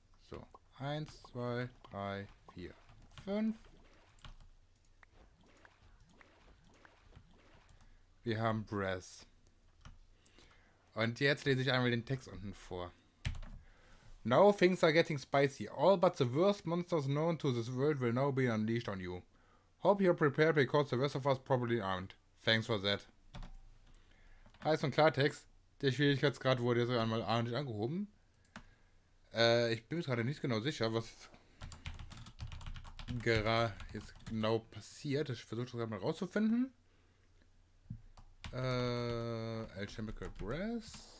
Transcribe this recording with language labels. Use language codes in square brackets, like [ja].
[de] So, 1, 2, 3, 4, 5. Wir haben Brass. Und jetzt lese ich einmal den Text unten vor. [en] Now things are getting spicy. All but the worst monsters known to this world will now be unleashed on you. Hope you're prepared because the rest of us probably aren't. Thanks for that. [de] Heiß und klar, Text. Der Schwierigkeitsgrad wurde jetzt einmal ordentlich angehoben. Ich bin mir gerade nicht genau sicher, was. gerade jetzt genau passiert. Ich versuche das gerade mal rauszufinden. Alchemical Brass.